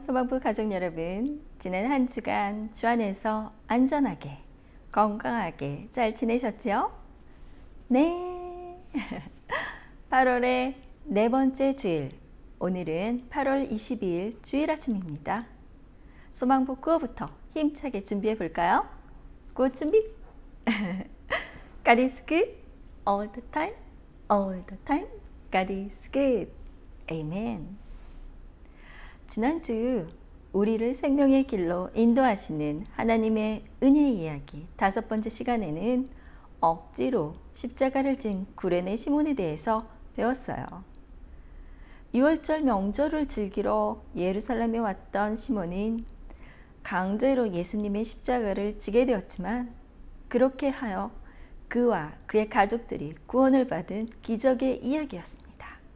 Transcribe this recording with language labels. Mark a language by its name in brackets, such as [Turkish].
[Korean] 소망부 가족 여러분, 지난 한 주간 주 안에서 안전하게 건강하게 잘 지내셨죠? 네. 8월의 네 번째 주일, 오늘은 8월 22일 주일 아침입니다. 소망부 구호부터 힘차게 준비해 볼까요? 구호 준비. [English] God is good all the time, all the time. God is good. Amen. [Korean] 지난주 우리를 생명의 길로 인도하시는 하나님의 은혜 이야기 다섯 번째 시간에는 억지로 십자가를 진 구레네 시몬에 대해서 배웠어요. 유월절 명절을 즐기러 예루살렘에 왔던 시몬은 강제로 예수님의 십자가를 지게 되었지만 그렇게 하여 그와 그의 가족들이 구원을 받은 기적의 이야기였습니다.